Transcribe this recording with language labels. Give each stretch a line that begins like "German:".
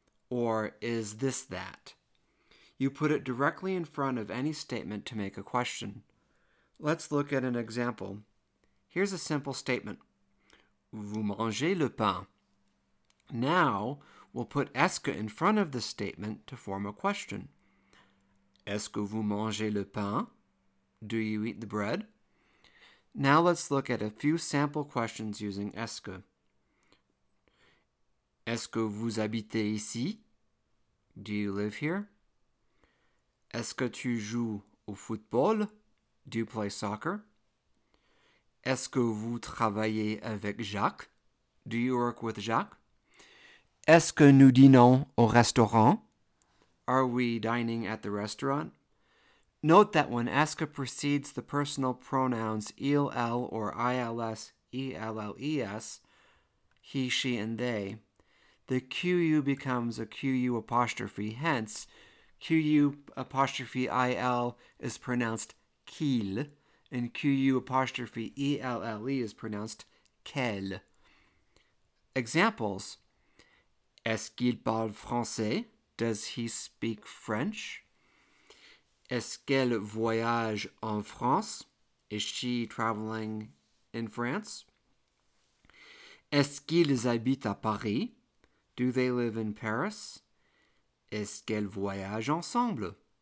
English: Or is this that? You put it directly in front of any statement to make a question. Let's look at an example. Here's a simple statement.
French: Vous mangez le pain.
English: Now, we'll put est-ce in front of the statement to form a question.
French: Est-ce que vous mangez le pain?
English: Do you eat the bread? Now let's look at a few sample questions using est-ce.
French: Est-ce que vous habitez ici?
English: Do you live here?
French: Est-ce que tu joues au football?
English: Do you play soccer?
French: Est-ce que vous travaillez avec Jacques?
English: Do you work with Jacques?
French: Est-ce que nous dînons au restaurant?
English: Are we dining at the restaurant? Note that when est-ce precedes the personal pronouns il, or ils, ells, he, she, and they, the qu becomes a qu apostrophe, hence qu apostrophe il is pronounced qu'il, and qu apostrophe elle is pronounced qu'elle. Examples.
French: Est-ce qu'il parle français?
English: Does he speak French?
French: Est-ce qu'elle voyage en France?
English: Is she traveling in France?
French: Est-ce qu'ils habitent à Paris?
English: Do they live in Paris?
French: Est-ce qu'elles voyagent ensemble?